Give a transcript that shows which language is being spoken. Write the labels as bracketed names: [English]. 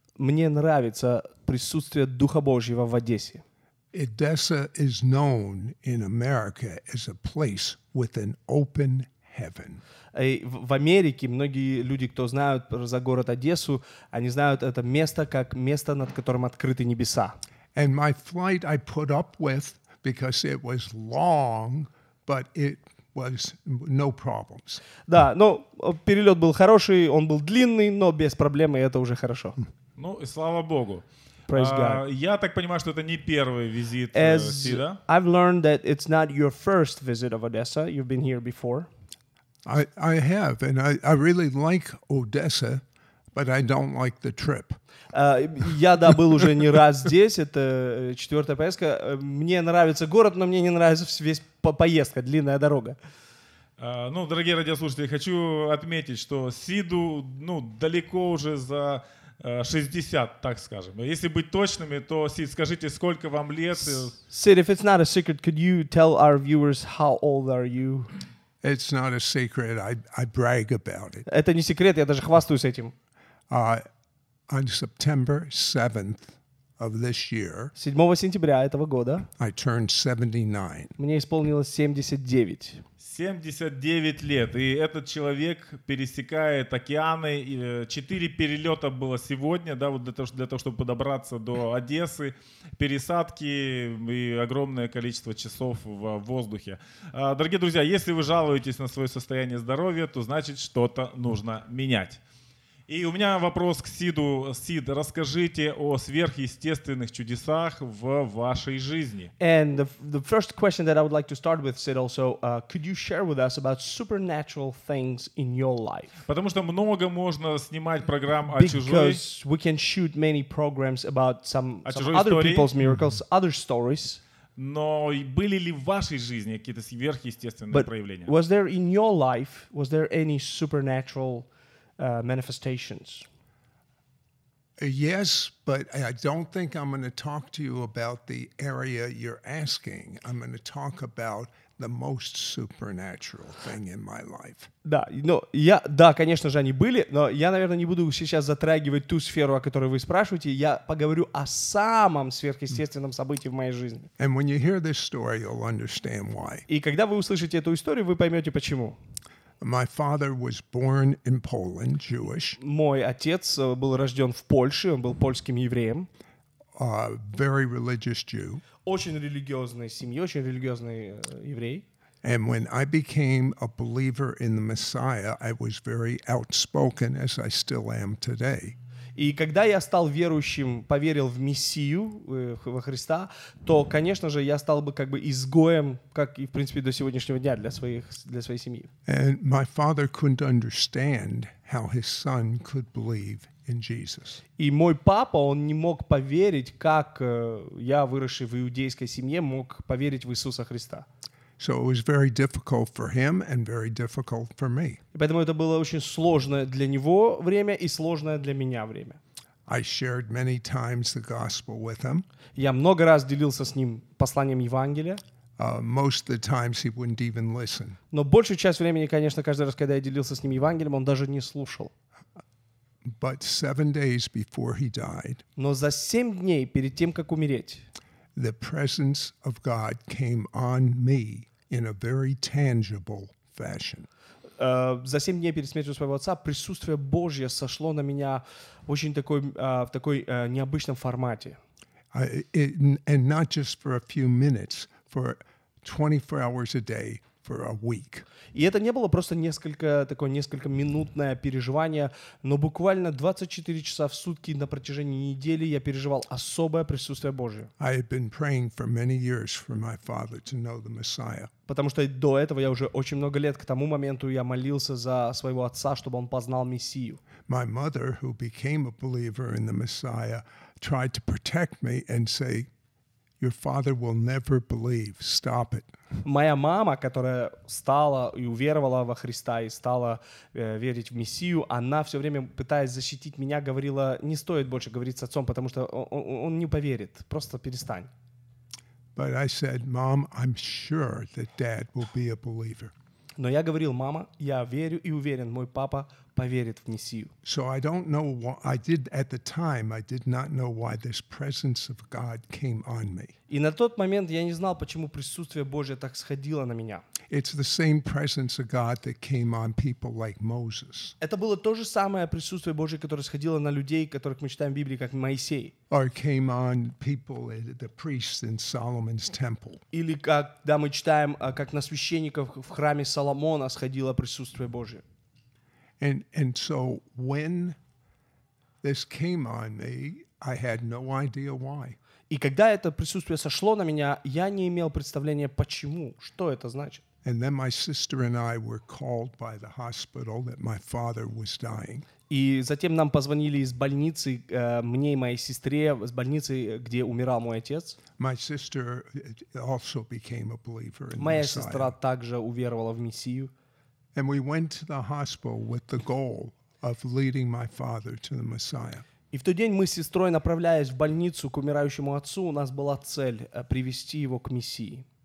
[Russian] Мне нравится присутствие Духа Божьего в Одессе. [English] Odessa is known in America as a place with an open heaven. [Russian] В Америке многие люди, кто знают за город Одессу, они знают это место как место, над которым открыты небеса. [English] And my flight I put up with because it was long, but it was no problems. [Russian] Да, но перелет был хороший, он был длинный, но без проблем, и это уже хорошо. Ну, и слава Богу. [English] Praise God. [Russian] Я так понимаю, что это не первый визит Сида. [English] I've learned that it's not your first visit of Odessa. You've been here before. I have, and I really like Odessa, but I don't like the trip. [Russian] Я, да, был уже не раз здесь, это четвертая поездка. Мне нравится город, но мне не нравится весь поездка, длинная дорога. Ну, дорогие радиослушатели, хочу отметить, что Сиду, далеко уже за 60, так скажем. Если быть точными, то Сид, скажите, сколько вам лет? [English] Сид, if it's not a secret, could you tell our viewers how old are you? It's not a secret. I brag about it. [Russian] Это не секрет, я даже хвастаюсь этим. [English] On September 7th of this year. [Russian] 7 сентября этого года. [English] I turned 79. [Russian] Мне исполнилось 79. 79 лет, и этот человек пересекает океаны, 4 перелета было сегодня, да, вот для того, чтобы добраться до Одессы, пересадки и огромное количество часов в воздухе. Дорогие друзья, если вы жалуетесь на свое состояние здоровья, то значит что-то нужно менять. И у меня вопрос к Сиду. Сид, расскажите о сверхъестественных чудесах в вашей жизни. [English] And the first question that I would like to start with, Sid, also, could you share with us about supernatural things in your life? [Russian] Потому что много можно снимать программ о чужой. [English] Because we can shoot many programs about some other people's miracles, other stories. [Russian] Но были ли в вашей жизни какие-то сверхъестественные проявления? [English] Was there in your life, was there any supernatural manifestations? Yes, but I don't think I'm going to talk to you about the area you're asking. I'm going to talk about the most supernatural thing in my life. [Russian] Да, ну, я, да, конечно же, они были, но я, наверное, не буду сейчас затрагивать ту сферу, о которой вы спрашиваете. Я поговорю о самом сверхъестественном событии в моей жизни. [English] And when you hear this story, you'll understand why. [Russian] И когда вы услышите эту историю, вы поймете, почему. [English] My father was born in Poland, Jewish. [Russian] Мой отец был рожден в Польше, он был польским евреем. [English] Very religious Jew. [Russian] Очень религиозная семья, очень религиозный еврей. [English] And when I became a believer in the Messiah, I was very outspoken, as I still am today. [Russian] И когда я стал верующим, поверил в Мессию, во Христа, то, конечно же, я стал бы как бы изгоем, как и, в принципе, до сегодняшнего дня для своей семьи. [English] And my father couldn't understand how his son could believe in Jesus. [Russian] И мой папа, он не мог поверить, как я, выросший в иудейской семье, мог поверить в Иисуса Христа. [English] So it was very difficult for him and very difficult for me. [Russian] Поэтому это было очень сложное для него время и сложное для меня время. [English] I shared many times the gospel with him. [Russian] Я много раз делился с ним посланием Евангелия. [English] Most of the times he wouldn't even listen. [Russian] Но большую часть времени, конечно, каждый раз, когда я делился с ним Евангелием, он даже не слушал. [English] But 7 days before he died. [Russian] Но за 7 дней перед тем, как умереть. [English] The presence of God came on me in a very tangible fashion. [Russian] За 7 дней перед смертью своего отца присутствие Божье сошло на меня очень такой в такой необычном формате. [English] And not just for a few minutes, for 24 hours a day for a week. [Russian] И это не было просто несколько такое несколько минутное переживание, но буквально 24 часа в сутки на протяжении недели я переживал особое присутствие Божье. [English] I had been praying for many years for my father to know the Messiah. [Russian] Потому что до этого я уже очень много лет к тому моменту я молился за своего отца, чтобы он познал Мессию. [English] My mother, who became a believer in the Messiah, tried to protect me and say, "Your father will never believe. Stop it." [Russian] Моя мама, которая стала и уверовала во Христа и стала верить в Мессию, она все время, пытаясь защитить меня, говорила, не стоит больше говорить с отцом, потому что он не поверит, просто перестань. [English] But I said, "Mom, I'm sure that Dad will be a believer." [Russian] Но я говорил, мама, я верю и уверен, мой папа поверит в Мессию. [English] So I don't know what I did at the time. I did not know why this presence of God came on me. [Russian] И на тот момент я не знал, почему присутствие Божье так сходило на меня. [English] It's the same presence of God that came on people like Moses. [Russian] Это было то же самое присутствие Божье, которое сходило на людей, которых мы читаем в Библии, как Моисей. [English] Or came on people, the priests in Solomon's temple. [Russian] Или когда мы читаем, как на священников в храме Соломона сходило присутствие Божье. [English] And so when this came on me, I had no idea why. [Russian] И когда это присутствие сошло на меня, я не имел представления, почему, что это значит. [English] And then my sister and I were called by the hospital that my father was dying. [Russian] И затем нам позвонили из больницы, мне и моей сестре, из больницы, где умирал мой отец. [English] My sister also became a believer in [Russian] Messiah. Моя сестра также уверовала в Мессию. [English] And we went to the hospital with the goal of leading my father to the Messiah. [Russian] И в тот день мы с сестрой, направляясь в больницу к умирающему отцу, у нас была цель привести его к Мессии.